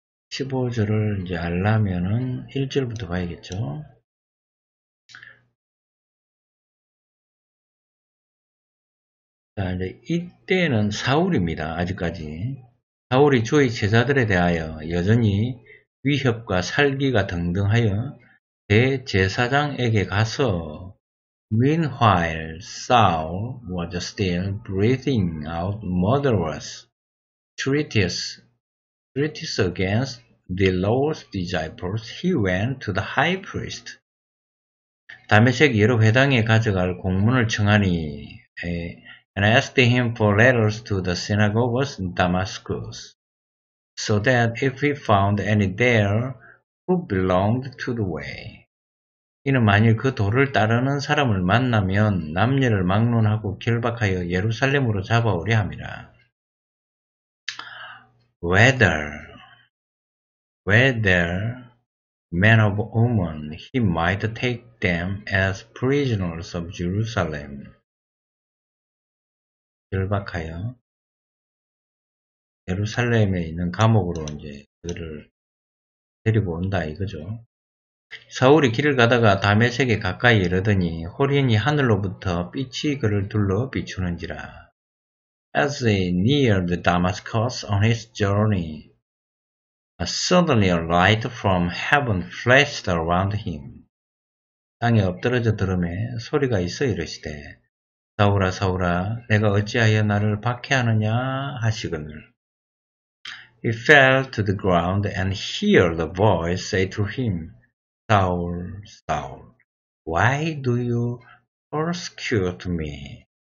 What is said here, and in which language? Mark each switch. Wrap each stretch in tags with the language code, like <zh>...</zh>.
<ko>15절을 이제 알라면은 1절부터 봐야겠죠. 자, 이제 이때는 사울입니다. 아직까지 사울이 주의 제자들에 대하여 여전히 위협과 살기가 등등하여 대제사장에게 가서,</ko> <en>Meanwhile, Saul was still breathing out murderous treatises against the Lord's disciples, he went to the high priest.</en> <ko>다메섹 예루회당에 가져갈 공문을 청하니,</ko> <en>and asked him for letters to the synagogues in Damascus, so that if he found any there who belonged to the way.</en> <ko>이는 만일 그 도를 따르는 사람을 만나면 남녀를 막론하고 결박하여 예루살렘으로 잡아오려 함이라.</ko> <en>Whether man or woman, he might take them as prisoners of Jerusalem.</en> <ko>결박하여 예루살렘에 있는 감옥으로 이제 그들을 데리고 온다 이거죠. 사울이 길을 가다가 다메섹에 가까이 이르더니 홀연히 하늘로부터 빛이 그를 둘러 비추는지라.</ko> <en>As he neared Damascus on his journey, suddenly a light from heaven flashed around him.</en> <ko>땅에 엎드러져 들음에 소리가 있어 이르시되, 사울아 사울아 내가 어찌하여 나를 박해하느냐 하시거늘.</ko> <en>He fell to the ground and heard a voice say to him, Saul, Saul, why do you persecute me?</en>